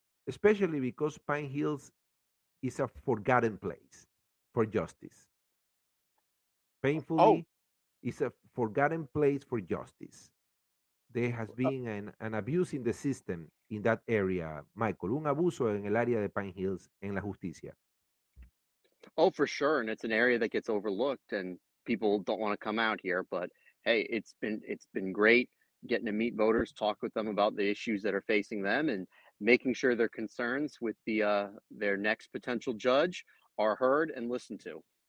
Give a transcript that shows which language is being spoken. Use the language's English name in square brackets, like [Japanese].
[English] Especially because Pine Hills is a forgotten place for justice. Painfully, it's a forgotten place for justice. There has been an abuse in the system in that area, Michael. [Spanish] Un abuso en el área de Pine Hills en la justicia. [English] Oh, for sure. And it's an area that gets overlooked and people don't want to come out here. But hey, it's been great getting to meet voters, talk with them about the issues that are facing them and making sure their concerns with their next potential judge are heard and listened to.